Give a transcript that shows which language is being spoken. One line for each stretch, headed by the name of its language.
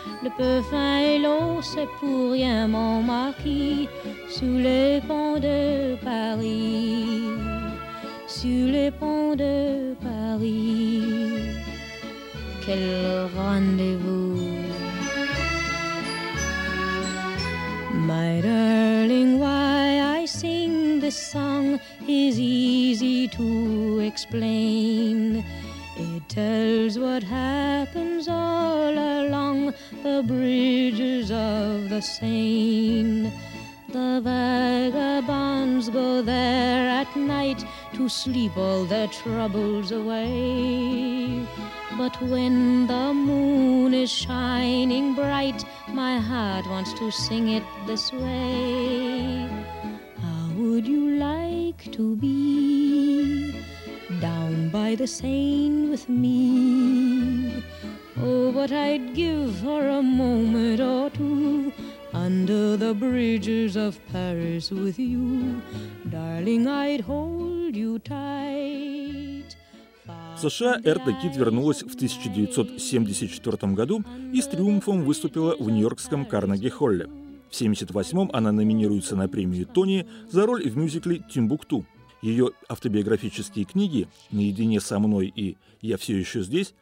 French: Le peu fin et l'eau, c'est pour rien, mon marquis, sous les ponts de Paris. Sur les ponts de Paris, quel rendez-vous.
English: My darling, why I sing this song is easy to explain. It tells what happens all along the bridges of the Seine. The vagabonds go there at night to sleep all their troubles away. But when the moon is shining bright, my heart wants to sing it this way. How would you like to be down by the Seine with me? Oh, what I'd give for a moment or two under the bridges of Paris with you. Darling, I'd hold you tight.
Russian: В США Эрта Кит вернулась в 1974 году и с триумфом выступила в нью-йоркском Карнеги-Холле. В 1978 она номинируется на премию Тони за роль в мюзикле «Тимбукту». Ее автобиографические книги «Наедине со мной» и «Я все еще здесь.